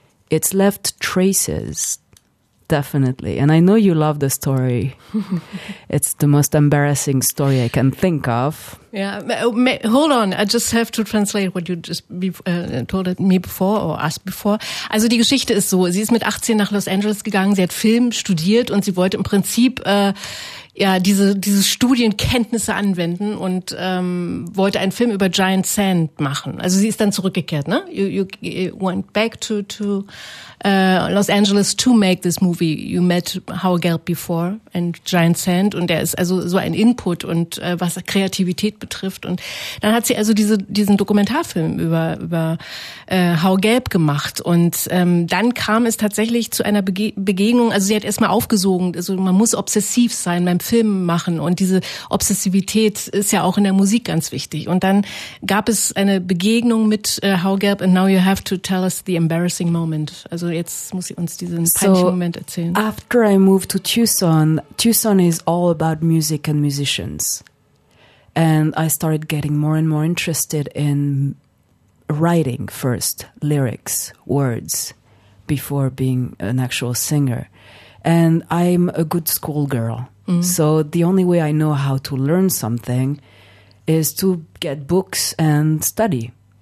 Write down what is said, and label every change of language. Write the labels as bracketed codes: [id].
[en] it's left traces, definitely. And I know you love the story. It's the most embarrassing story I can think of. Yeah, hold on. I just have to translate what you just told me before or asked before. [de] Also die Geschichte ist so, sie ist mit 18 nach Los Angeles gegangen, sie hat Film studiert und sie wollte im Prinzip diese Studienkenntnisse anwenden und wollte einen Film über Giant Sand machen. Also sie ist dann zurückgekehrt, ne? [en] You went back to Los Angeles to make this movie. You met Howard Gelb before and Giant Sand [de] und der ist also so ein Input und was Kreativität betrifft. Und dann hat sie also diesen Dokumentarfilm über Howard Gelb gemacht und dann kam es tatsächlich zu einer Begegnung. Also sie hat erstmal aufgesogen, also man muss obsessiv sein beim Film machen und diese Obsessivität ist ja auch in der Musik ganz wichtig. Und dann gab es eine Begegnung mit Howard Gelb [en] and now you have to tell us the embarrassing moment. [de] Also jetzt muss sie uns diesen peinlichen Moment erzählen. [en] After I moved to Tucson is all about music and musicians. And I started getting more and more interested in writing first, lyrics, words, before being an actual singer. And I'm a good school girl. Mm. So the only way I know how to learn something is to get books and study.